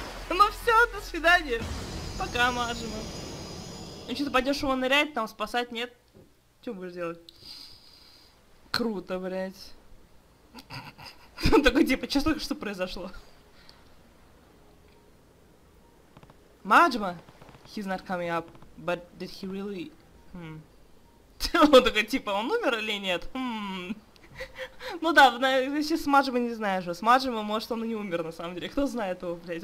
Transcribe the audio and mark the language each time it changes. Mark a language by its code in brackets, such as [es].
[ru] Ну все, до свидания. Пока мажем. Ну что, ты пойдешь его нырять, там спасать, нет? Что будешь делать? Круто, блядь. Он такой, типа, чё только что произошло? [en] Маджма, he's not coming up, but did he really... [ru] Он такой, типа, он умер или нет? Ну да, если с Маджма не знаешь, с Маджма, может, он и не умер, на самом деле. Кто знает его, блядь?